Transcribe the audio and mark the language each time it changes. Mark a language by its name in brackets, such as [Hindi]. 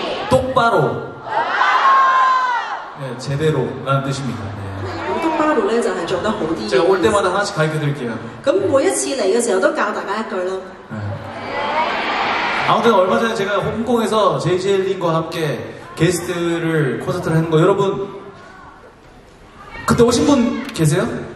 [Korean] 똑바로 네, 제대로 라는 뜻입니다. 똑바로는 제가 올 때마다 하나씩 가르쳐 드릴게요. 그럼 [Chinese] 每一次来的时候都教大家一句咯. [Korean] 아무튼 얼마 전에 제가 홍콩에서 JJ린과 함께 게스트를 콘서트를 했는 거 여러분 그때 오신 분 계세요?